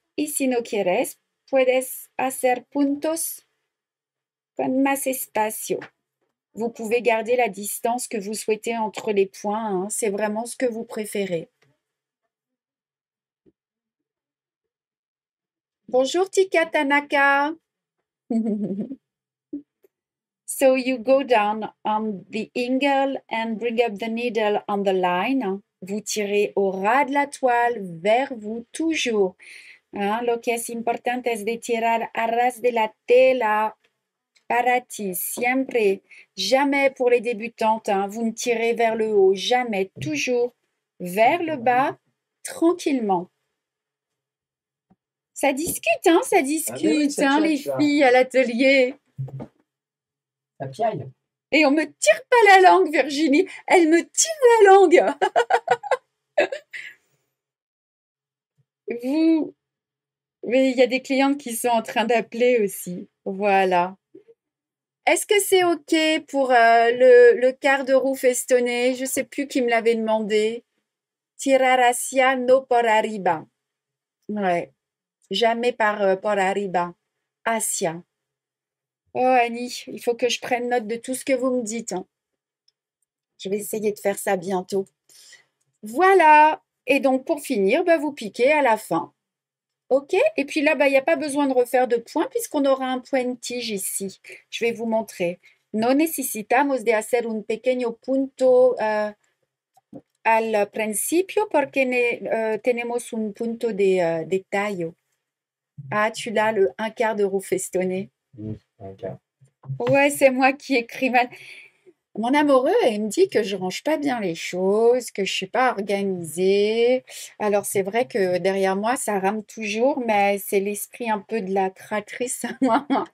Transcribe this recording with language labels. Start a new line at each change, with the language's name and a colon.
Spanish: Y si no quieres, puedes hacer puntos con más espacio.
French: Vous pouvez garder la distance que vous souhaitez entre les points. Hein. C'est vraiment ce que vous préférez. Bonjour Tika Tanaka.
English: So you go down on the angle and bring up the needle on the line.
French: Vous tirez au ras de la toile vers vous toujours. Hein?
Spanish: Lo que es importante es de tirar a ras de la tela para ti, siempre.
French: Jamais pour les débutantes, hein? Vous ne tirez vers le haut, jamais, toujours vers le bas, tranquillement. Ça discute, hein, ça discute, ah, oui, hein, les filles à l'atelier. Ça piaille. Et on ne me tire pas la langue, Virginie. Elle me tire la langue. Vous. Mais il y a des clientes qui sont en train d'appeler aussi. Voilà. Est-ce que c'est OK pour le quart de roue festonné? Je ne sais plus qui me l'avait demandé.
Spanish: Tirar hacia no por arriba. Ouais.
French: Jamais par
Spanish: por arriba. Hacia.
French: Oh, Annie, il faut que je prenne note de tout ce que vous me dites. Hein. Je vais essayer de faire ça bientôt. Voilà. Et donc, pour finir, bah, vous piquez à la fin. OK? Et puis là, bah, il n'y a pas besoin de refaire de points puisqu'on aura un point de tige ici. Je vais vous montrer.
Spanish: No necesitamos de hacer un pequeño punto al principio porque tenemos un punto de tallo.
French: Ah, tu l'as, le un quart de roue festonné.
English: Okay.
French: Ouais, c'est moi qui écris mal. Mon amoureux, il me dit que je range pas bien les choses, que je suis pas organisée. Alors, c'est vrai que derrière moi, ça rame toujours, mais c'est l'esprit un peu de la créatrice à moi.